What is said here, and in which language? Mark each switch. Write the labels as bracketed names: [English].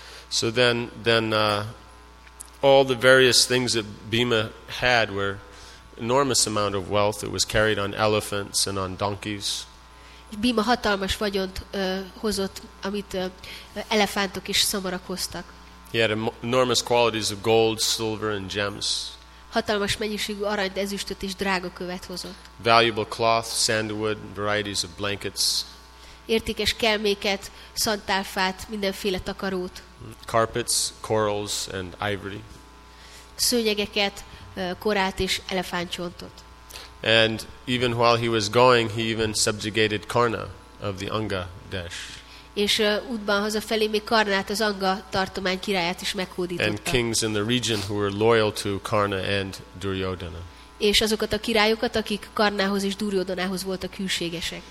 [English] So then all the various things that Bhima had were enormous amount of wealth. It was carried on elephants and on donkeys. [Hungarian] Bhima hatalmas vagyont hozott, amit elefántok és szamarak hoztak. [English] He had enormous quantities of gold, silver and gems. [Hungarian] Hatalmas mennyiségű arany, ezüstöt és drága követ hozott. [English] Valuable cloth, sandalwood, varieties of blankets. [Hungarian] Értékes kelméket, szantálfát, mindenféle takarót. [English] Carpets, corals and ivory. [Hungarian] Szőnyegeket, korát és elefántcsontot. [English] And even while he was going, he even subjugated Karna of the Anga Desh. [Hungarian] És útban hazafelé még Karnát, az Anga tartomány királyát is meghódította. [English] And kings in the region who were loyal to Karna and Duryodhana. [Hungarian] És azokat a királyokat, akik Karnához és Duryodhanához voltak hűségesek.